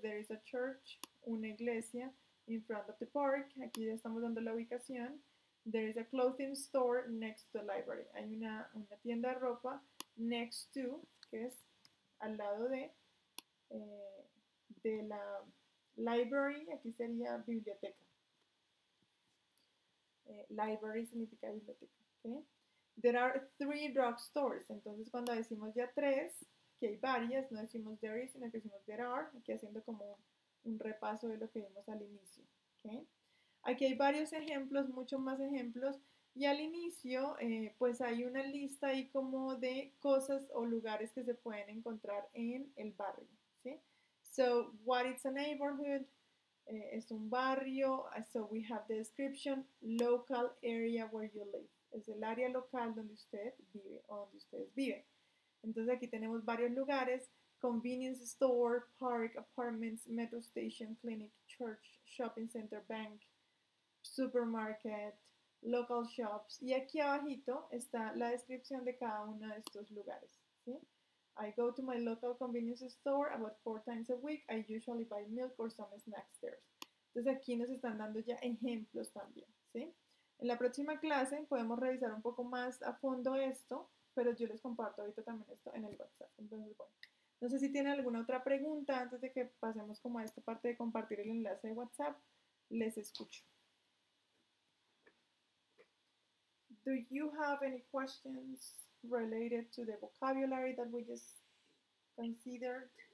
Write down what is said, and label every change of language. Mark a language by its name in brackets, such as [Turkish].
[English] There is a church, [Spanish] una iglesia, [English] in front of the park. [Spanish] Aquí ya estamos dando la ubicación. [English] There is a clothing store next to the library. [Spanish] Hay una tienda de ropa [English] next to, [Spanish] que es al lado de la library. Aquí sería biblioteca. Library significa biblioteca, ¿okay? [English] There are three drugstores. [Spanish] Entonces, cuando decimos ya tres, que hay varias, no decimos there is, sino que decimos there are, aquí haciendo como un repaso de lo que vimos al inicio. ¿Okay? Aquí hay varios ejemplos, muchos más ejemplos, y al inicio pues hay una lista ahí como de cosas o lugares que se pueden encontrar en el barrio. ¿Sí? [English] So, what is a neighborhood? [Spanish] Es un barrio. [English] So, we have the description, local area where you live. [Spanish] Es el área local donde usted vive o donde ustedes viven. Entonces, aquí tenemos varios lugares. [English] Convenience store, park, apartments, metro station, clinic, church, shopping center, bank, supermarket, local shops. [Spanish] Y aquí abajito está la descripción de cada uno de estos lugares. ¿Sí? [English] I go to my local convenience store about 4 times a week. I usually buy milk or some snacks there. [Spanish] Entonces aquí nos están dando ya ejemplos también. ¿Sí? En la próxima clase podemos revisar un poco más a fondo esto, pero yo les comparto ahorita también esto en el WhatsApp. Entonces, bueno. No sé si tiene alguna otra pregunta antes de que pasemos como a esta parte de compartir el enlace de WhatsApp. Les escucho. [English] Do you have any questions related to the vocabulary that we just considered?